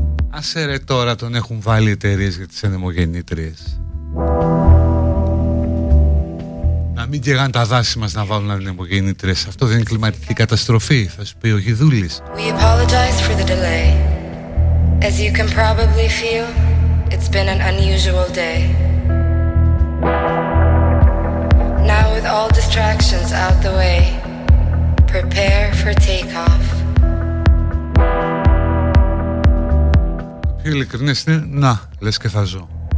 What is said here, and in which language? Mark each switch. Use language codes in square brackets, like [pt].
[el] Άσε ρε τώρα, τον έχουν βάλει εταιρείες για τις ανεμογεννήτριες. Να μην καιγάνε τα δάση μας να βάλουν ανεμογεννήτριες. Αυτό δεν είναι κλιματική καταστροφή, θα σου πει ο Γιδούλης. [en] We apologize for the delay. As you can probably feel, it's been an unusual day. Now with all distractions out the way, prepare for takeoff. [el] Πιο ειλικρινές είναι, να, λες και θα ζω.